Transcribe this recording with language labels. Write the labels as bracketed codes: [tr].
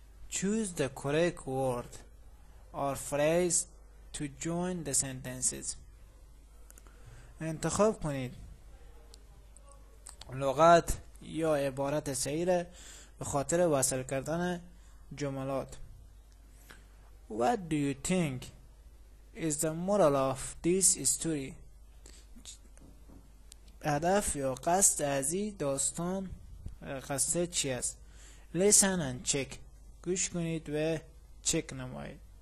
[en] Choose the correct word or phrase to join the sentences. [fa] انتخاب کنید لغت یا عبارت صحیح را به خاطر وصل کردن جملات. [en] What do you think is the moral of this story? [fa] هدف یا قصد از این داستان قصه چی است؟ [en] Listen and check. [fa] گوش کنید و چک نمایید.